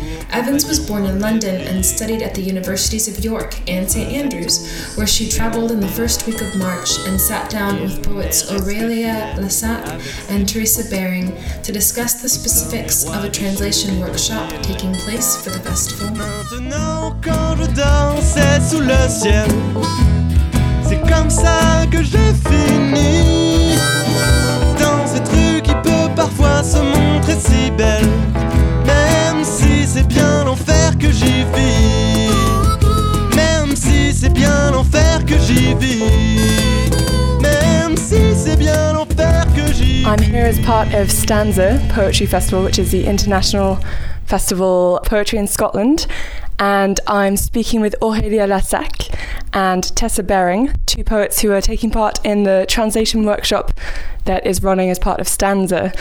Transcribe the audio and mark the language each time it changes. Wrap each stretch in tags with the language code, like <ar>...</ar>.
<en>Evans was born in London and studied at the Universities of York and St. Andrews, where she traveled in the first week of March and sat down with poets Aurelia Lessac and Teresa Baring to discuss the specifics of a translation workshop taking place for the festival.</en> <fr>Maintenant quand je danse sous le ciel, c'est comme ça que je finis. Dans ce truc qui peut parfois se montrer si belle, même si c'est bien l'enfer que j'y vis. Même si c'est bien l'enfer que j'y vis. Même si c'est bien l'enfer que j'y vis.</fr> <en>I'm here as part of Stanza Poetry Festival, which is the international festival of poetry in Scotland. And I'm speaking with Aurelia Lessac and Tessa Baring, two poets who are taking part in the translation workshop that is running as part of Stanza.</en>